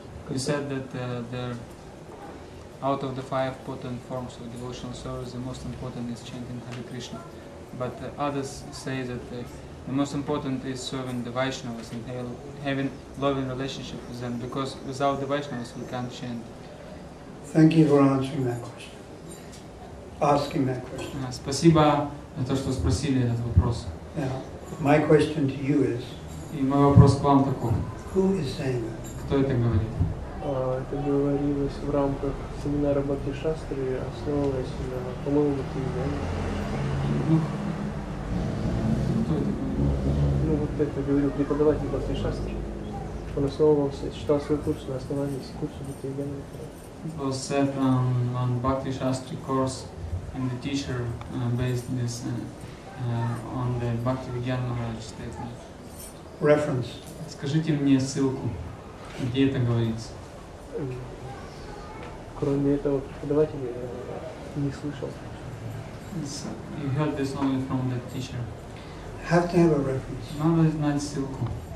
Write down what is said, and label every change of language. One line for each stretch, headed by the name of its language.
English: You said that out of the five potent forms of devotional service, the most important is chanting Hare Krishna. But others say that the most important is serving the Vaishnavas and having loving relationship with them, because without the Vaishnavas we can't chant. Thank you for answering that question. Asking that question.
Russian: Спасибо за то, что спросили этот вопрос.
English: Now, my question to you is.
Russian: И мой вопрос к вам такой.
English: Who is saying that?
Russian: Кто это говорит? Это говорилось в рамках семинара Бхакти Шастры, основываясь на, по-моему, материале. Ну, вот это говорил преподаватель Бхакти Шастры. Он основывался, читал свой курс на основании курса материале. Был сет on Бхакти Шастры курс.
English: And the teacher based this on the Bhakti Vidyana statement. Reference.
Russian: Скажите мне ссылку, где это говорится. Кроме этого преподавателя, не слышал.
English: You heard this only from the teacher. Have to have a reference.
Russian: Надо знать ссылку.